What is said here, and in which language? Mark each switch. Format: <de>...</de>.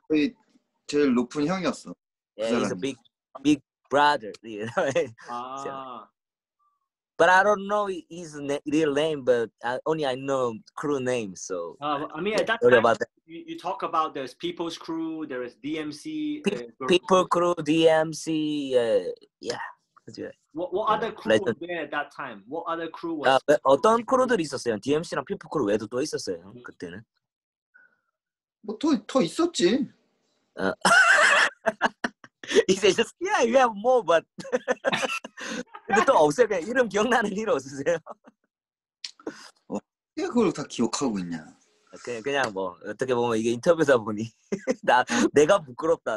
<ko>거의 제일 높은 형이었어.</ko> <en>Yeah, 그 he's a big brother. You know? 아. So, but I don't know his real name, but only I know crew name. So I mean, at that time, about that. You talk about there's People's Crew, there is DMC. People Crew, DMC, yeah. What other crew were there at that time? What other crew was there?</en> <ko>어떤 crew들이 있었어요? DMC랑 People Crew 외에도 또 있었어요, 그때는? 뭐 더 있었지.</ko> <en>He said, just, yeah, you have more, but...</en> <ko>근데 또 없어요. 그냥 이름 기억나는 일 없으세요? 어떻게 그걸 다 기억하고 있냐? 그냥 뭐 어떻게 보면 이게 인터뷰다 보니 나 내가 부끄럽다.</ko>